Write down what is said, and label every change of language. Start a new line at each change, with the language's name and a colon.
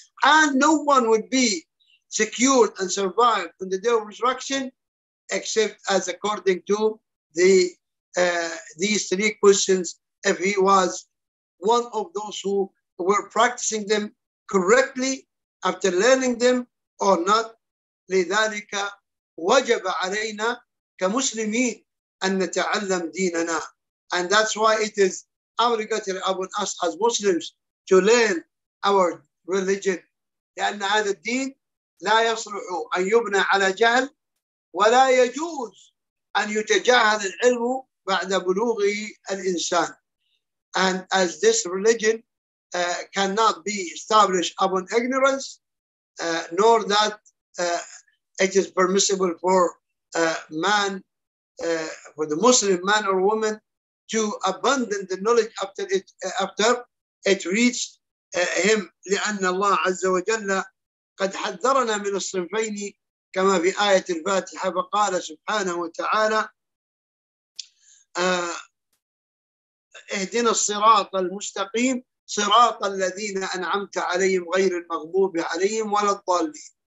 English: And no one would be secured and survived on the day of resurrection except as according to the these three questions, if he was one of those who were practicing them correctly after learning them or not.
Arabic: لذلك وجب علينا كمسلمين أن نتعلم ديننا.
English: And that's why it is obligatory upon us as Muslims to learn our religion.
Arabic: لأن هذا الدين لا يصلح أن يبنى على جهل ولا يجوز أن يتجاهل العلم بعد بلوغ الإنسان.
English: And as this religion cannot be established upon ignorance, nor that it is permissible for man, for the Muslim man or woman, to abandon the knowledge after it reached him.
Arabic: لأن الله عز وجل قد حذرنا من الصنفين كما في آية الفاتحة فقال سبحانه وتعالى اهدنا الصراط المستقيم صراط الذين أنعمت عليهم غير المغضوب عليهم ولا الضالين.